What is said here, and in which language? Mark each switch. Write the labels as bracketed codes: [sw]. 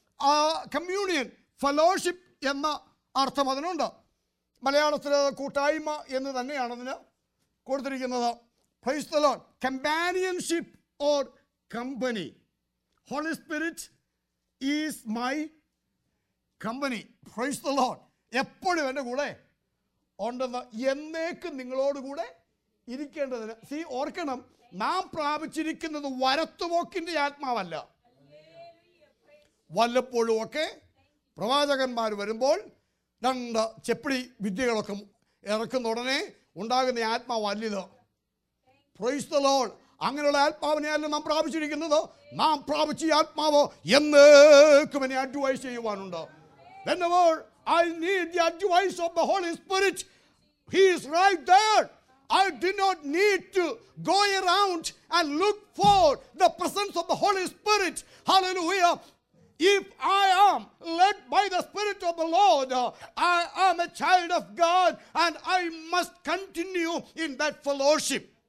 [ml] ആ communion, fellowship എന്ന അർത്ഥം അതിനുണ്ട്. മലയാളത്തിൽ കൂട്ടായ്മ എന്ന് തന്നെയാണ് അതിന് കൊടുത്തിരിക്കുന്നത്. [en] Praise the Lord. Companionship or company. Holy Spirit is my company. Praise the Lord. [ml] Eppozhum ende koode undenna ennekkum ningalodu koode irikkendathinu. See, orkanam naam praapichirikkunnathu varathuvokkinte aathmavalla. വല്ലപ്പോഴും ഒക്കെ പ്രവാചകന്മാർ വരുമ്പോൾ രണ്ട് ചെപ്പിടി വിദ്യകളൊക്കെ ഇറക്കുന്ന ഉടനെ ഉണ്ടാകുന്ന ആത്മാവ് അല്ലിത്. [en] Praise the Lord. [ml] അങ്ങനെയുള്ള ആത്മാവിനെയല്ല നാം പ്രാപിച്ചിരിക്കുന്നത്. നാം പ്രാപിച്ച ആത്മാവ് എന്നേക്കും എന്നെ advice ചെയ്യുവാനുണ്ട്. [en] വെന്നപ്പോൾ I need the advice of the Holy Spirit. He's right there. I did not need to go around and look for the presence of the Holy Spirit. Hallelujah. If I am led by the Spirit of the Lord, I am a child of God and I must continue in that fellowship.